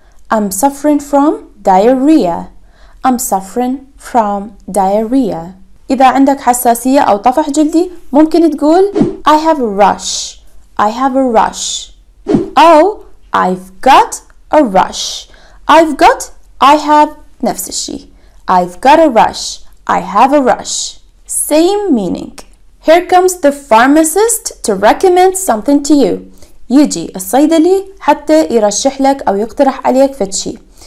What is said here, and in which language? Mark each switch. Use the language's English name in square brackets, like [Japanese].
[English] I'm suffering from diarrhea. I'm suffering from diarrhea. [Arabic] إذا عندك حساسية أو طفح جلدي ممكن تقول [English] I have a rash. I have a rash. أو I've got a rash. I've got, I have, [Arabic] نفس الشيء. [English] I've got a rash. I have a rash. Same meaning. Here comes the pharmacist to recommend something to you. [Arabic] يجي الصيدلي حتى يرشح لك أو يقترح عليك فتشي.